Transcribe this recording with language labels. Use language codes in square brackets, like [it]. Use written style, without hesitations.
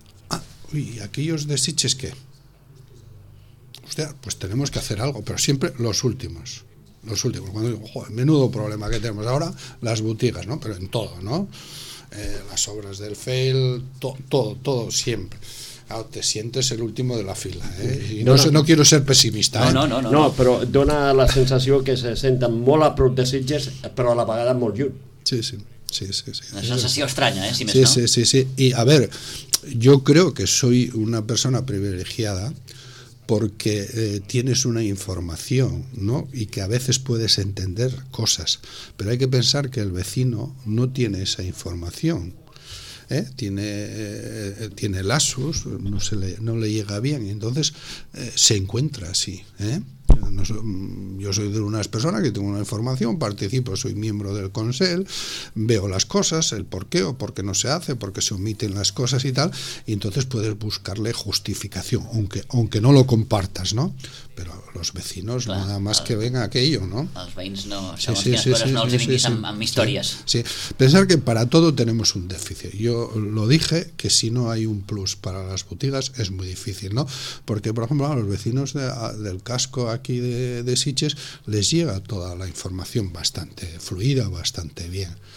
[es] Ah, uy, ¿aquellos de Sitges qué? Hostia, pues tenemos que hacer algo, pero siempre los últimos, cuando digo, joder, menudo problema que tenemos ahora, las botigas, ¿no? Pero en todo, ¿no? Las obras del FEIL, todo, siempre. Claro, te sientes el último de la fila, ¿eh? Y no quiero ser pessimista, no, ¿eh? No, [ca] però dona la sensació que se senten molt a prop de Sitges, però a la vegada molt lluny. Sí. Una sensació estranya, ¿eh? Si més no. [es] Sí. I, a ver, yo creo que soy una persona privilegiada porque tienes una información, ¿no? Y que a veces puedes entender cosas, pero hay que pensar que el vecino no tiene esa información, ¿eh? Tiene el ASUS, no le llega bien, y entonces se encuentra así, ¿eh? Yo soy de unas personas que tengo una información, participo, soy miembro del consell, veo las cosas, el por qué o por qué no se hace, por qué se omiten las cosas y tal, y entonces puedes buscarle justificación, aunque no lo compartas, ¿no? Pero los vecinos, clar, nada más que ven aquello, ¿no? [ca] Los veïns no, segons quines coses, no els vinguis amb històries. [es] Sí, pensar que para todo tenemos un déficit. Yo lo dije, que si no hay un plus para las botigas es muy difícil, ¿no? Porque, por ejemplo, a los vecinos del casco aquí de Sitges les llega toda la información bastante fluida, bastante bien.